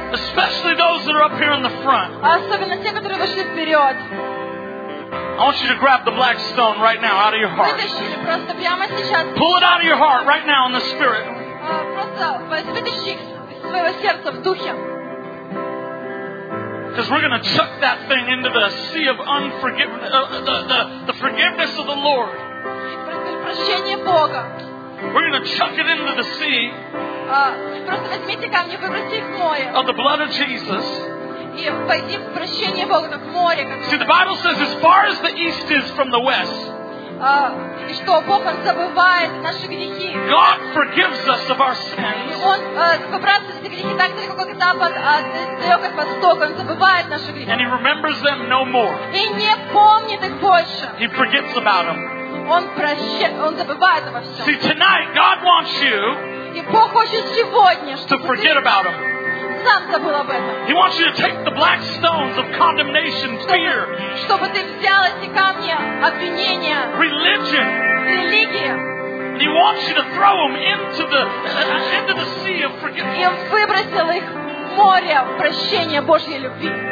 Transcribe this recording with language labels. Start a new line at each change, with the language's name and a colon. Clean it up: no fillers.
English: especially those that are up here in the front,
Russian: особенно те, которые вышли вперед,
English: I want you to grab the black stone right now out of your heart.
Russian: Вытащите просто прямо сейчас.
English: Pull it out of your heart right now in the spirit.
Russian: Просто вытащите из своего сердца в духе.
English: Because we're going to chuck that thing into the sea of unforgiveness, the forgiveness of the Lord.
Russian: Прощение Бога.
English: We're going to chuck it into the sea.
Russian: Просто возьмите камни, выбросите их в море.
English: Of the blood of Jesus.
Russian: И пойди в прощение Бога, в море.
English: See, the Bible says, as far as the east is from the west.
Russian: И что Бог забывает наши грехи.
English: God forgives us of our sins.
Russian: Он забывает наши грехи так далеко, как запад далеко от востока. Он забывает наши грехи.
English: And He remembers them no more.
Russian: И не помнит их больше.
English: He forgets about them.
Russian: Он забывает обо всем.
English: See, tonight God wants you.
Russian: И Бог хочет сегодня, чтобы
English: to forget about them.
Russian: Сам забыл об этом.
English: He wants you to take the black stones of condemnation, fear.
Russian: Чтобы ты взял эти камни обвинения.
English: Religion.
Russian: Религия.
English: And He wants you to throw them into the sea of forgiveness.
Russian: И выбросил их в море прощения Божьей любви.